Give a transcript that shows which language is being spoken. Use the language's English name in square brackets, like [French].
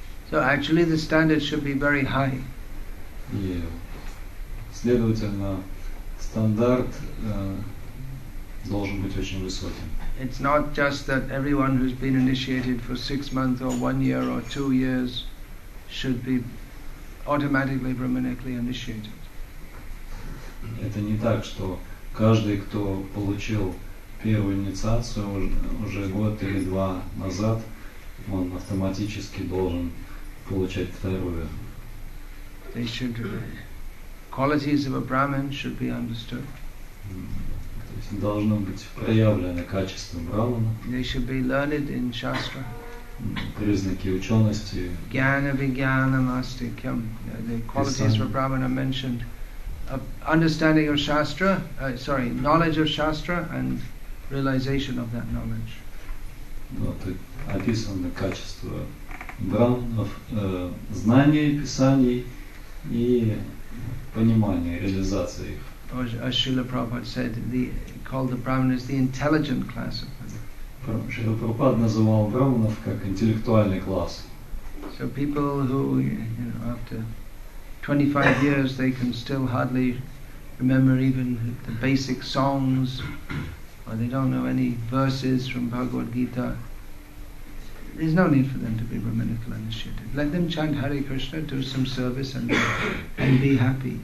[English] So actually the standard should be very high. [Russian] Следовательно, стандарт должен быть очень высоким. [English] It's not just that everyone who's been initiated for 6 months or 1 year or 2 years should be automatically brahmanically initiated. [Russian] Это не так, что каждый, кто получил первую инициацию уже год или два назад, он автоматически должен получать вторую. [English] They should qualities of a brahman should be understood. [Russian] Должно быть проявлено качество брахмана. [English] They should be learned in shastra. [Russian] Признаки учености. [Sanskrit] Gyana vigyanam astikyam. [English] The qualities of a brahman are mentioned. Understanding of shastra, knowledge of shastra and realization of that knowledge. [Russian] Описаны качества брахманов, знания писаний и понимания, реализации их. [English] As Srila Prabhupada said, called the brahmanas the intelligent class of brahmanas. [Russian] Srila Prabhupada называл брахманов как интеллектуальный класс. [English] So people who, after 25 years, they can still hardly remember even the basic songs, or they don't know any verses from Bhagavad Gita. There's no need for them to be brahmanically initiated. Let them chant Hare Krishna, do some service, and be happy.